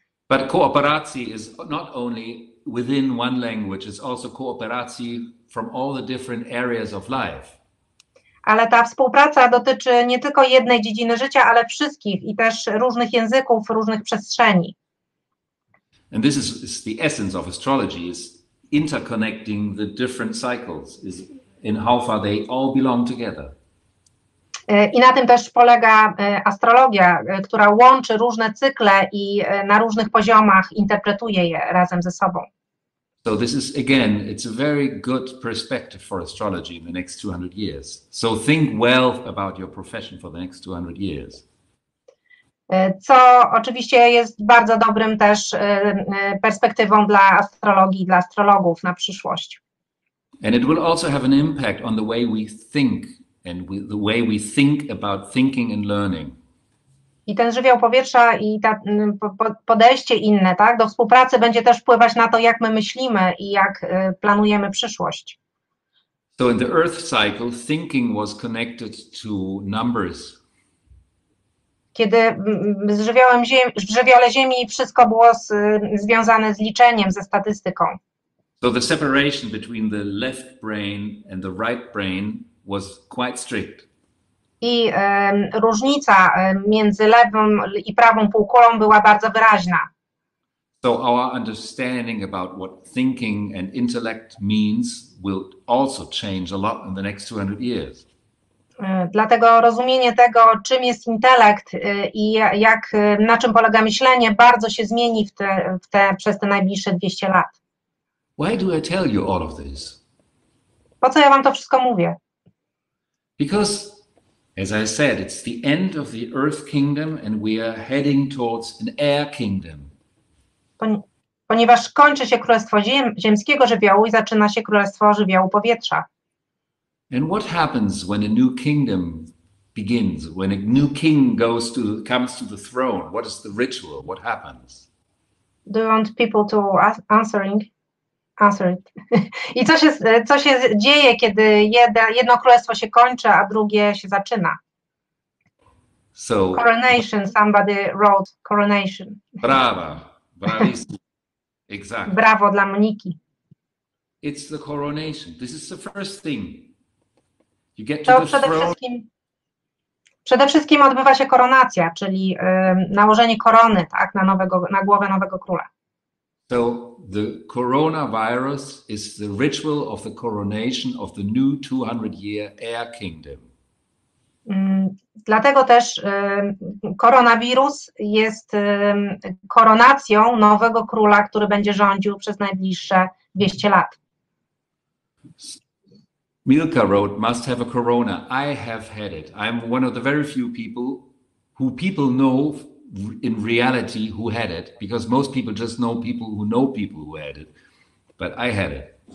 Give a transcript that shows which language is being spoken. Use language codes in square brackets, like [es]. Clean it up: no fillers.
[en] But cooperacji is not only within one language, it's also cooperacji from all the different areas of life. [pl] Ale ta współpraca dotyczy nie tylko jednej dziedziny życia, ale wszystkich i też różnych języków, różnych przestrzeni. [en] And this is the essence of astrology, is interconnecting the different cycles, is in how far they all belong together. [pl] I na tym też polega astrologia, która łączy różne cykle i na różnych poziomach interpretuje je razem ze sobą. [en] So this is, again, it's a very good perspective for astrology in the next 200 years. So think well about your profession for the next 200 years. [pl] Co oczywiście jest bardzo dobrym też perspektywą dla astrologii, dla astrologów na przyszłość. [en] And it will also have an impact on the way we think and the way we think about thinking and learning. [pl] I ten żywioł powietrza i ta podejście inne, tak, do współpracy będzie też wpływać na to, jak my myślimy i jak planujemy przyszłość. [en] So in the earth cycle, thinking was connected to numbers. [pl] Kiedy w żywiole ziemi wszystko było związane z liczeniem, ze statystyką. [en] So the separation between the left brain and the right brain was quite strict. [pl] I różnica między lewą i prawą półkulą była bardzo wyraźna. [en] So our understanding about what thinking and intellect means will also change a lot in the next 200 years. [pl] Dlatego rozumienie tego, czym jest intelekt i jak, na czym polega myślenie, bardzo się zmieni przez te najbliższe 200 lat. [en] Why do I tell you all of this? [pl] Po co ja wam to wszystko mówię? [en] Because as I said, it's the end of the Earth Kingdom and we are heading towards an Air Kingdom. [pl] Ponieważ kończy się Królestwo Ziemskiego Żywiołu i zaczyna się Królestwo Żywiołu Powietrza. [en] And what happens when a new kingdom begins? When a new king comes to the throne? What is the ritual? What happens? Do you want people to answer it. [pl] I co się dzieje, kiedy jedno królestwo się kończy, a drugie się zaczyna? [en] So, coronation, somebody wrote coronation. Brawa, bravissimo, exactly. [pl] Brawo dla Moniki. [en] It's the coronation, this is the first thing. You get to the throne. [pl] Przede wszystkim odbywa się koronacja, czyli nałożenie korony, tak, na głowę nowego króla. [en] So the coronavirus is the ritual of the coronation of the new 200-year air kingdom. [pl] Dlatego też koronawirus jest koronacją nowego króla, który będzie rządził przez najbliższe 200 lat. [en] Milka wrote, must have a corona. I have had it. I'm one of the very few people who people know in reality who had it, because most people just know people who had it, but I had it.